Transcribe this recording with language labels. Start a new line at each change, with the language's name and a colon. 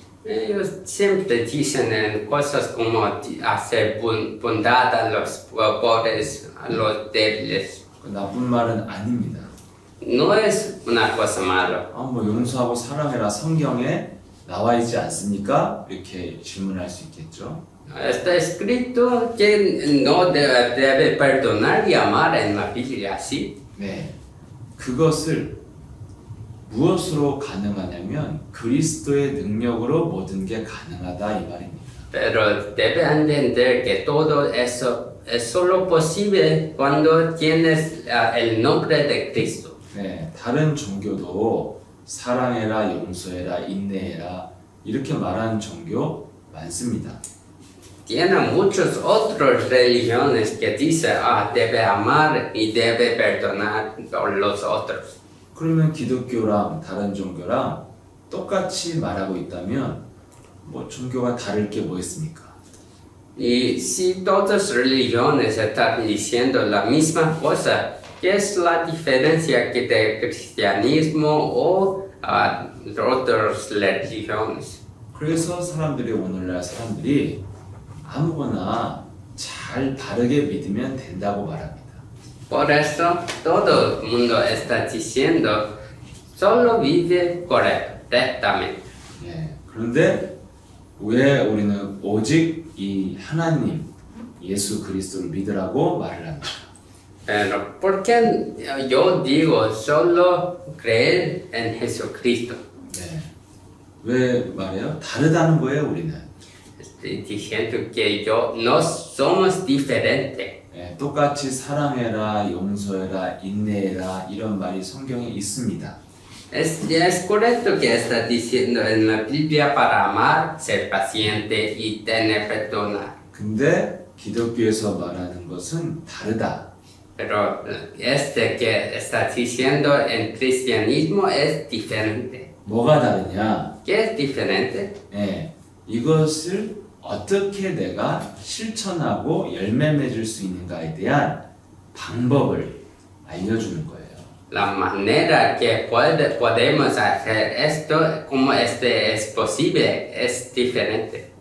Spanish: Ellos siempre dicen cosas como hacer bondad a los pobres, a los débiles.
Korean: 나쁜 말은 아닙니다.
Spanish: No es una cosa mala.
Korean: 뭐 용서하고 사랑해라 성경에 나와 있지 않습니까? 이렇게 질문할 수 있겠죠.
Spanish: Está escrito que no debe perdonar y amar en la Biblia, sí.
Korean: 네, 그것을 무엇으로 가능하냐면 그리스도의 능력으로 모든 게 가능하다 이 말입니다.
Spanish: pero debe entender que todo eso es solo posible cuando tienes el nombre de Cristo.
Korean: 네, 다른 종교도 사랑해라, 용서해라, 인내해라 이렇게 말하는 종교 많습니다.
Spanish: Tiene muchas otras religiones que dice debe amar y debe perdonar a los otros.
Korean: 그러면 기독교랑 다른 종교랑 똑같이 말하고 있다면 뭐 종교가 다를 게 뭐 있습니까?
Spanish: Y si todas religiones están diciendo la misma cosa, ¿qué es la diferencia que de cristianismo o otras religiones?
Korean: 그래서 사람들이 오늘날 사람들이 아무거나 잘 바르게 믿으면 된다고 말합니다.
Spanish: Por eso todo el mundo está diciendo solo vive correctamente.
Korean: 네, 그런데 왜 우리는 오직 이 하나님 예수 그리스도를 믿으라고 말을 합니다.
Spanish: Pero ¿por qué yo digo solo creer en Jesucristo?
Korean: 네. 왜 말해요? 다르다는 거예요, 우리는.
Spanish: Diciendo que yo no somos diferente.
Korean: 네, 똑같이 사랑해라, 용서해라, 인내해라 이런 말이 성경에 있습니다.
Spanish: Es correcto que está diciendo en la Biblia para amar, ser paciente y tener perdón.
Korean: 근데 기독교에서 말하는 것은 다르다.
Spanish: Pero este que está diciendo en cristianismo es diferente.
Korean: 뭐가 다르냐?
Spanish: ¿Qué es diferente?
Korean: 네, 이것을 어떻게 내가 실천하고 열매 맺을 수 있는가에 대한 방법을 알려주는 거예요.
Spanish: La manera que podemos hacer esto como este es posible es diferente.